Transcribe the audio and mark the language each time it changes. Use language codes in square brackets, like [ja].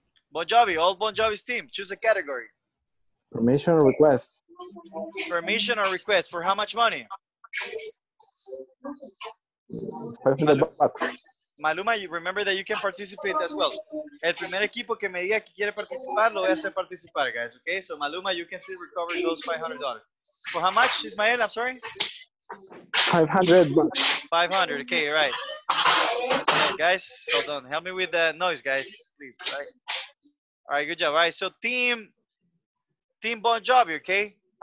[en] Bon Jovi, all Bon Jovi's team, choose a category. Permission or request? Permission or request for how much money? $500. Maluma, you remember that you can participate as well. [es] El primer equipo que me diga que quiere participar, lo voy a hacer participar, guys. [en] Okay, so Maluma, you can still recover those $500. For how much, Ismael? I'm sorry? $500. $500, okay, right. Guys, hold on. Help me with the noise, guys, please. All right, good job. All right, so team Bon Jovi, okay?